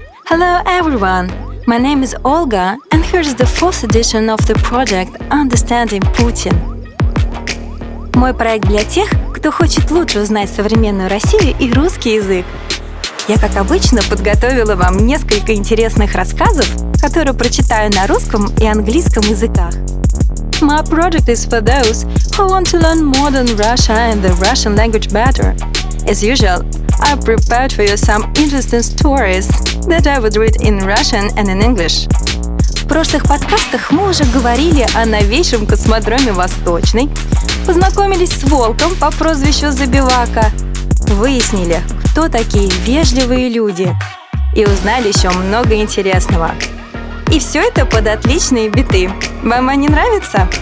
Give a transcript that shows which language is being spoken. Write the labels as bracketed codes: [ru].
[en] Hello everyone! My name is Olga and here's the fourth edition of the project «Understanding Putin». [ru] Мой проект для тех, кто хочет лучше узнать современную Россию и русский язык. Я, как обычно, подготовила вам несколько интересных рассказов, которые прочитаю на русском и английском языках. [en] My project is for those who want to learn modern Russia and the Russian language better. As usual, I prepared for you some interesting stories that I would read in Russian and in English. [ru] В прошлых подкастах мы уже говорили о новейшем космодроме Восточный, познакомились с волком по прозвищу Забивака, выяснили, кто такие вежливые люди, и узнали еще много интересного. И все это под отличные биты. Вам они нравятся?